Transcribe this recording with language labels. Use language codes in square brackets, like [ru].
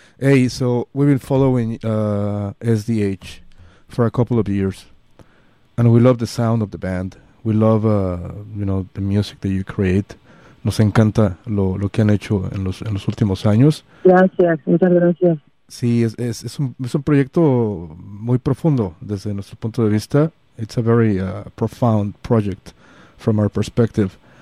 [en] Hey, so we've been following SDH for a couple of years, and we love the sound of the band. We love, the music that you create. [es] Nos encanta lo que han hecho en los últimos años. Gracias, muchas gracias. Sí, es un proyecto muy profundo desde nuestro punto de vista. [en] It's a very profound project from our perspective.